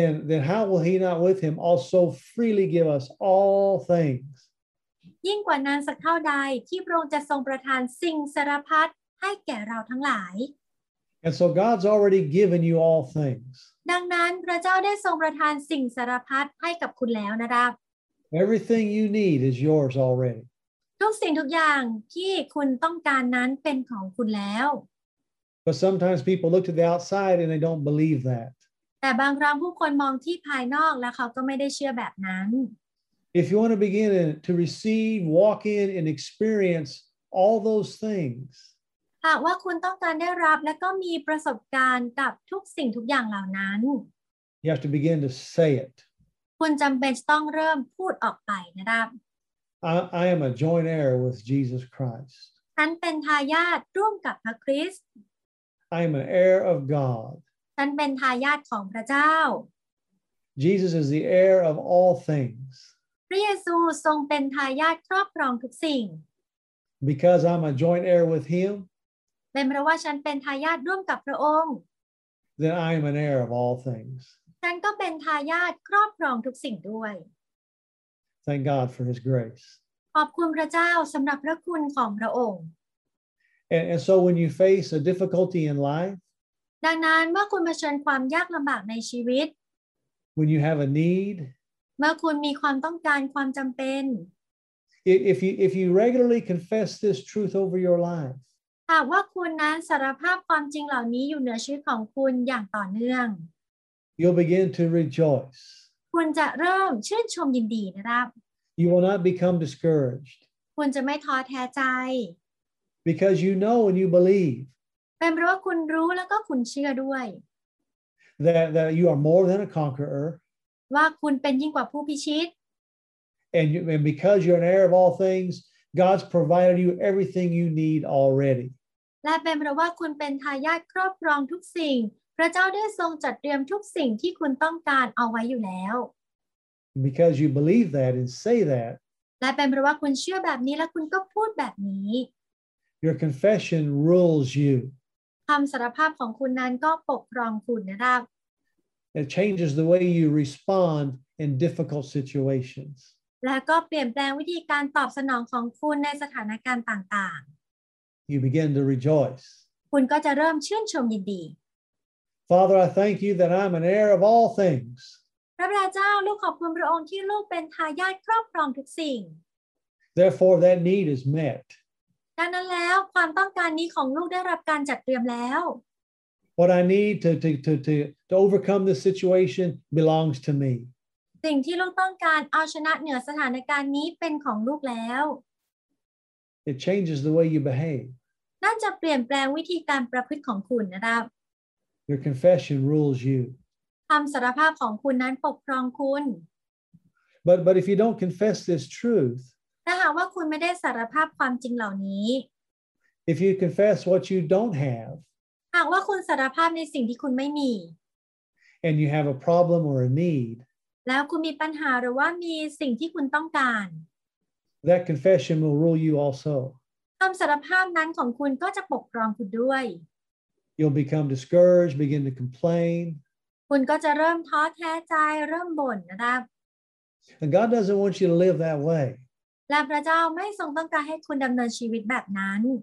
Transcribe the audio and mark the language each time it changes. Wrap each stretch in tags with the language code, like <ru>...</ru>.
<en>then how will he not with him also freely give us all things</en> <th>ยิ่งกว่านั้นสักเท่าใดที่พระองค์จะทรงประทานสิ่งสารพัดให้แก่เราทั้งหลาย</th> <en>And so God's already given you all things</en> <th>ดังนั้นพระเจ้าได้ทรงประทานสิ่งสารพัดให้กับคุณแล้วนะครับ</th> <en>Everything you need is yours already</en> <th>ทุกสิ่งทุกอย่างที่คุณต้องการนั้นเป็นของคุณแล้ว</th> <en>But sometimes people look to the outside and they don't believe that</en> <th>แต่บางครั้งผู้คนมองที่ภายนอกแล้วเขาก็ไม่ได้เชื่อแบบนั้น</th> <en>If you want to begin to receive, walk in and experience all those things</en> <th>ว่าคุณต้องการได้รับและก็มีประสบการณ์กับทุกสิ่งทุกอย่างเหล่านั้น</th> <en>You have to begin to say it</en> <th>คุณจำเป็นต้องเริ่มพูดออกไปนะครับ</th> <en>I am a joint heir with Jesus Christ</en> <th>ฉันเป็นทายาทร่วมกับพระคริสต์</th> <en>I am an heir of God</en> <th>ฉันเป็นทายาทของพระเจ้า</th> <en>Jesus is the heir of all things</en> <th>พระเยซูทรงเป็นทายาทครอบครองทุกสิ่ง</th> <en>Because I'm a joint heir with him</en> <th>เป็นเพราะว่าฉันเป็นทายาทร่วมกับพระองค์</th> <en>Then I am an heir of all things</en> <th>ฉันก็เป็นทายาทครอบครองทุกสิ่งด้วย</th> <en>Thank God for his grace</en> <th>ขอบคุณพระเจ้าสำหรับพระคุณของพระองค์</th> <en>And so when you face a difficulty in life</en> <th>ดังนั้นเมื่อคุณเผชิญความยากลำบากในชีวิต</th> <en>When you have a need</en> <th>เมื่อคุณมีความต้องการความจำเป็น</th> <en>If you regularly confess this truth over your life</en> <th>หากว่าคุณนั้นสารภาพความจริงเหล่านี้อยู่เหนือชีวิตของคุณอย่างต่อเนื่อง</th> <en>You'll begin to rejoice</en> <th>คุณจะเริ่มชื่นชมยินดีนะครับ</th> <en>You will not become discouraged</en> <th>คุณจะไม่ท้อแท้ใจ</th> <en>Because you know and you believe</en> <th>เป็นเพราะคุณรู้แล้วก็คุณเชื่อด้วย</th> <en>That you are more than a conqueror</en> <th>ว่าคุณเป็นยิ่งกว่าผู้พิชิต</th> <en>And because you're an heir of all thingsGod's provided you everything you need already.</en> <th>และเป็นเพราะว่าคุณเป็นทายาทครอบครองทุกสิ่งพระเจ้าได้ทรงจัดเตรียมทุกสิ่งที่คุณต้องการเอาไว้อยู่แล้ว</th> <en>Because you believe that and say that.</en> <th>และเป็นเพราะว่าคุณเชื่อแบบนี้และคุณก็พูดแบบนี้</th> <en>Your confession rules you.</en> <th>คำสารภาพของคุณนั้นก็ปกครองคุณนะครับ</th> <en>It changes the way you respond in difficult situations.</en> <th>และก็เปลี่ยนแปลงวิธีการตอบสนองของคุณในสถานการณ์ต่าง</th> <en>ๆ You begin to rejoice</en> <th>คุณก็จะเริ่มชื่นชมยินดี</th> <en>Father I thank you that I'm an heir of all things</en> <th>พระบิดาเจ้าลูกขอบคุณพระองค์ที่ลูกเป็นทายาทครอบครองทุกสิ่ง</th> <en>Therefore that need is met</en> <th>ดังนั้นแล้วความต้องการนี้ของลูกได้รับการจัดเตรียมแล้ว</th> <en>What I need to overcome this situation belongs to me</en> <th>สิ่งที่ลูกต้องการเอาชนะเหนือสถานการณ์นี้เป็นของลูกแล้ว</th> <en>It changes the way you behave</en> <th>นั่นจะเปลี่ยนแปลงวิธีการประพฤติของคุณนะครับ</th> <en>Your confession rules you</en> <th>คำสารภาพของคุณนั้นปกครองคุณ</th> <en>But if you don't confess this truth</en> <th>ถ้าหากว่าคุณไม่ได้สารภาพความจริงเหล่านี้</th> <en>If you confess what you don't have</en> <th>หากว่าคุณสารภาพในสิ่งที่คุณไม่มี</th> <en>And you have a problem or a need</en> <th>แล้วคุณมีปัญหาหรือว่ามีสิ่งที่คุณต้องการ</th> <en>That confession will rule you also.</en> <th>คำสารภาพนั้นของคุณก็จะปกครองคุณด้วย</th> <en>You'll become discouraged, begin to complain.</en> <th>คุณก็จะเริ่มท้อแท้ใจเริ่มบ่นนะครับ</th> <en>And God doesn't want you to live that way.</en> <th>และพระเจ้าไม่ทรงต้องการให้คุณดำเนินชีวิตแบบนั้น</th>